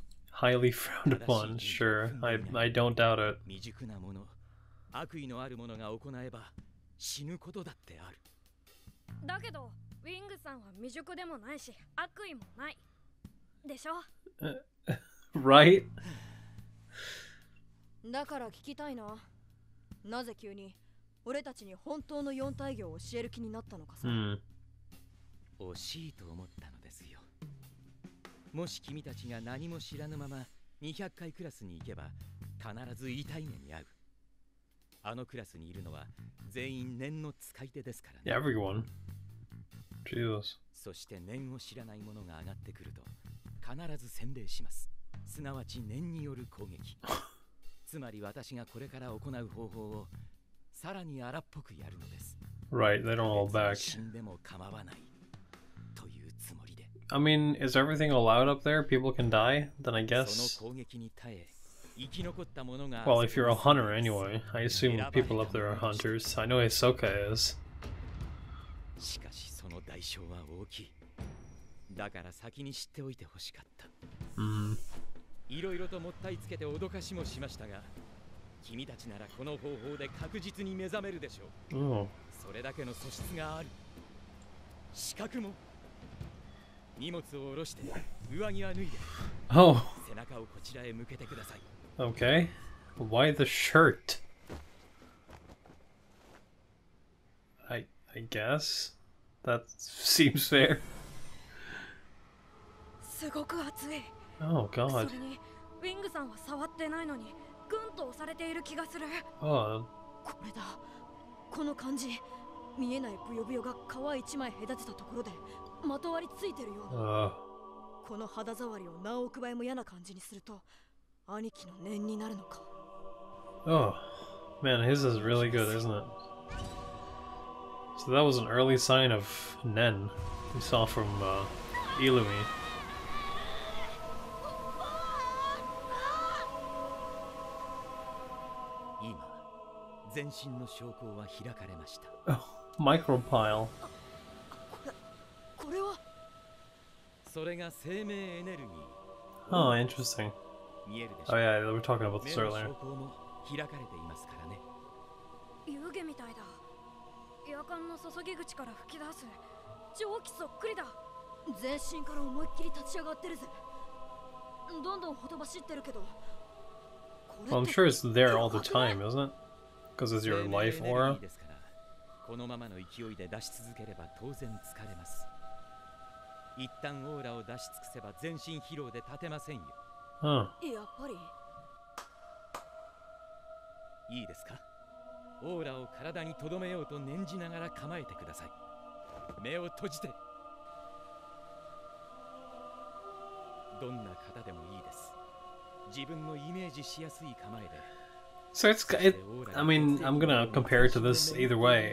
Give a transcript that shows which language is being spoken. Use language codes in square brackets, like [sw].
[en] Highly frowned upon, sure. I don't doubt it. [ja] 未熟なもの、悪意のあるものが行えば、死ぬことだってある。だけど、ウィングさんは未熟でもないし、悪意もない。でしょ？ [en] Right? [ja] だから聞きたいな。なぜ急に俺たちに本当の四大業を教える気になったのかさ。惜しいと思ったのですよ。もし君たちが何も知らぬまま200回クラスに行けば必ず痛い目に遭う。あのクラスにいるのは全員念の使い手ですからね。 [en] Everyone. Jesus. [ja] そして念を知らない者が上がってくると必ず洗礼します。すなわち念による攻撃。つまり私がこれから行う方法をさらに荒っぽくやるのです。 [en] Right, they don't all back. [ja] 死んでも構わないというつもりで。 [en] I mean, is everything allowed up there? People can die? Then I guess. [ja] その攻撃に耐え、生き残った者が。 [en] Well, if you're a hunter anyway, I assume people up there are hunters. I know Ahsoka is. [ja] しかしその代償は大きい。だから先に知っておいてほしかった。いろいろともったいつけて脅かしもしましたが、君たちならこの方法で確実に目覚めるでしょう。それだけの素質がある。資格も。荷物を下ろして上着は脱いで、 [en] oh. [ja] 背中をこちらへ向けてください。 [en] OK. Why the shirt? I guess that seems fair. [ja] すごく熱い。 [en] Oh God. [ja] それにウィングさんは触ってないのにグンと押されている気がする。これだ。この感じ、見えないブヨブヨが皮一枚隔てたところでまとわりついてるような。この肌触りを何億倍も嫌な感じにすると兄貴の念になるのか。 [en] Oh man, his is really good, isn't it? So that was an early sign of Nen we saw from Illumi. [ja] 全身の証拠は開かれました。マイクロパイル。これは。それが生命エネルギ [en] ー。 Oh, interesting. [ja] 見えるでしょう。 [en] Oh, yeah, we were talking about this earlier. [ja] 目の証拠も開かれていますからね。湯気みたいだ。夜間の注ぎ口から吹き出す。蒸気そっくりだ。全身から思いっきり立ち上がってるぜ。どんどんほとばしってるけど。 [en] Well, I'm sure it's there all the time, isn't it? Because it's your life aura. [ja] ですから、このままの勢いで出し続ければ当然疲れます。一旦オーラを出し尽くせば全身疲労で立てませんよ。やっぱり。いいですか。オーラを体に留めようと念じながら構えてください。目を閉じて。どんな型でもいいです。自分のイメージしやすい構えで。 [en] So I'm gonna compare it to this either way.